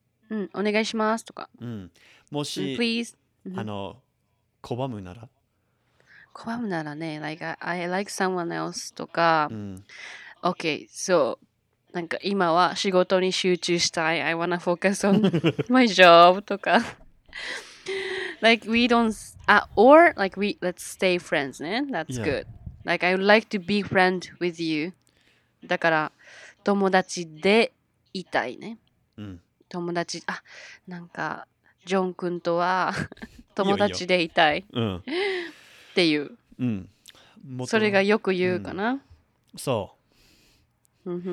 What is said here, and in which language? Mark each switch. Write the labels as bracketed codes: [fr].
[ja] うん、お願いしますとか。うん。もし、 [en] please。 [ja] 拒むなら拒むならね、 [en] like I like someone else とか、 [ja] うん、 [en] Okay, so [ja] なんか今は仕事に集中したい。 [en] I wanna focus on my job とか。 Like we don't, or like we, let's stay friends, ね? That's good. Like I would like to be friend with you. [ja] だから友達でいたいね。うん、友達、あ、なんかジョン君とは友達でいたい。いいよいいよ。っていう。うん、もそれがよく言うかな。うん、そう。